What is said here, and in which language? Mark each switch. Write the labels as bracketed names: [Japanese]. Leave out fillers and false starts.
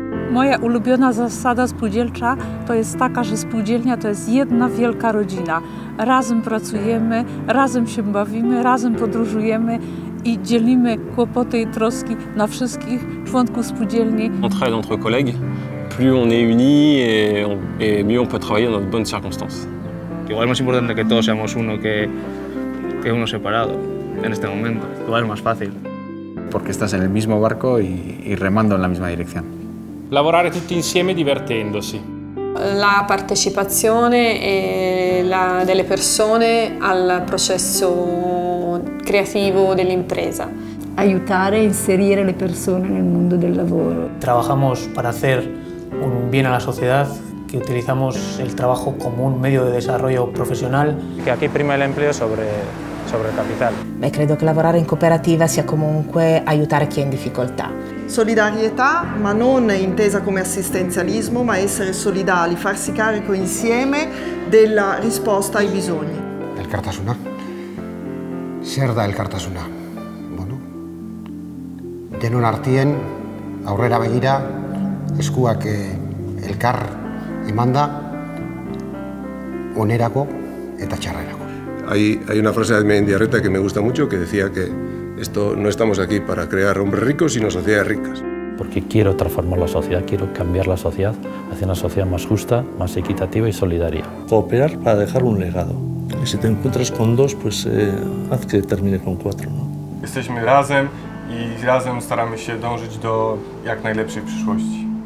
[Polish] Moja ulubiona zasada spółdzielcza to jest taka, że spółdzielnia to jest jedna wielka rodzina. Razem pracujemy, razem się bawimy, razem podróżujemy i dzielimy kłopoty i troski na wszystkich członków spółdzielni. [French] Entraide entre collègues, plus on est unis et mieux on peut travailler dans de bonnes circonstances. [Spanish] Igual es más importante que todos seamos uno que uno separado en este momento. Igual es más fácil. Porque estás en el mismo barco y remando en la misma dirección. [Italian] Lavorare tutti insieme divertendosi. La partecipazione delle persone al processo creativo dell'impresa. Aiutare a inserire le persone nel mondo del lavoro. [Spanish] Trabajamos para hacer un bien a la sociedad, que utilizamos el trabajo como un medio de desarrollo profesional. Que aquí prima el empleo sobre el capital. [Italian] Beh, credo che lavorare in cooperativa sia comunque aiutare chi è in difficoltà. Solidarietà, ma non intesa come assistenzialismo, ma essere solidali, farsi carico insieme della risposta ai bisogni. [Basque] Elkartasuna. Zer da elkartasuna? Bueno, denon artien, aurrera begira, eskuak elkar emanda, onerako eta txarrerako. [Spanish] Hay una frase de Mendiarreta que me gusta mucho, que decía que esto no estamos aquí para crear hombres ricos, sino sociedades ricas. Porque quiero transformar la sociedad, quiero cambiar la sociedad hacia una sociedad más justa, más equitativa y solidaria. Cooperar para dejar un legado. Y si te encuentras con dos, pues haz que termine con cuatro, ¿no? [Polish] Jesteśmy razem i razem staramy się dążyć do jak najlepszej przyszłości.